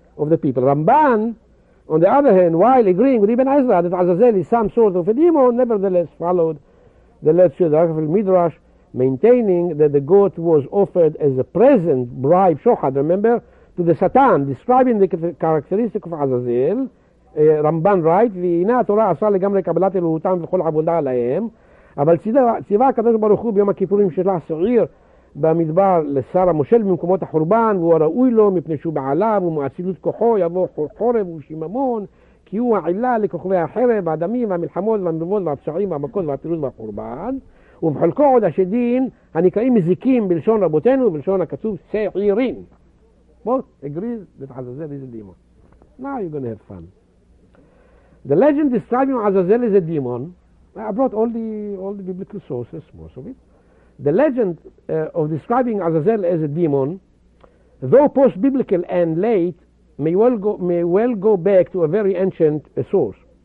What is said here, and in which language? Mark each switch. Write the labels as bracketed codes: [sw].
[en] Ramban, on the other hand, while agreeing with Ibn Ezra that Azazel is some sort of a demon, nevertheless followed the Lechidah of the Midrash, maintaining that the goat was offered as a present bribe, shochad, remember, to the Satan, describing the characteristic of Azazel. [he] Ramban writes, והנה התורה עשה לגמרי קבלת אלוהותם וכל עבודה עליהם, אבל ציווה הקדוש ברוך הוא ביום הכיפורים שלח שעיר במדבר לשר המושל במקומות החורבן, והוא הראוי לו מפני שהוא בעליו ומאצילות כוחו יבוא חורב ושיממון, כי הוא העילה לכוכבי החרב והדמים והמלחמות והמרבות והפשעים והמכות והפירוד והחורבן, ובחלקו עוד השדין הנקראים מזיקים בלשון רבותינו ובלשון הכתוב שעירים. [en] Both agrees that Azazel is a demon. Now you're going to have fun. The legend describing Azazel as a demon, I brought all the biblical sources, most of it. The legend of describing Azazel as a demon, though post-biblical and late, may well go back to a very ancient source.